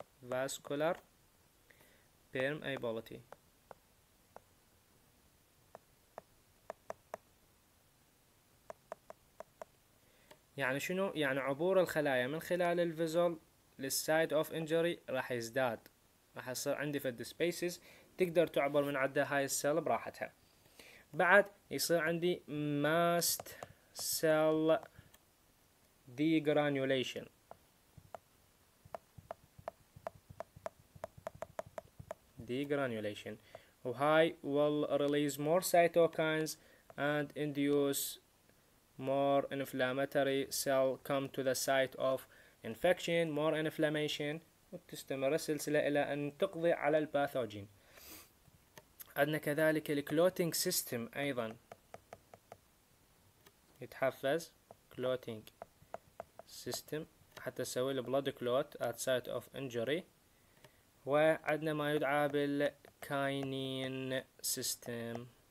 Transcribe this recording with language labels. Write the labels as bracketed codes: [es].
[ar] فاسكولار بيرميابيليتي يعني شنو؟ يعني عبور الخلايا من خلال الفيزول للسايد اوف انجري راح يزداد، راح يصير عندي في السبيسز تقدر تعبر من عدها هاي السيل براحتها. بعد يصير عندي ماست سيل ديجرانيوليشن. ديجرانيوليشن وهاي [en] will release more cytokines and induce more inflammatory cell come to the site of infection more inflammation [ar] وتستمر السلسلة إلى أن تقضي على الباثوجين. عندنا كذلك الكلوتينج سيستم ايضا يتحفز، كلوتينج سيستم حتى تسوي البلود كلوت ات سايت اوف انجري. وعندنا ما يدعى بالكاينين سيستم.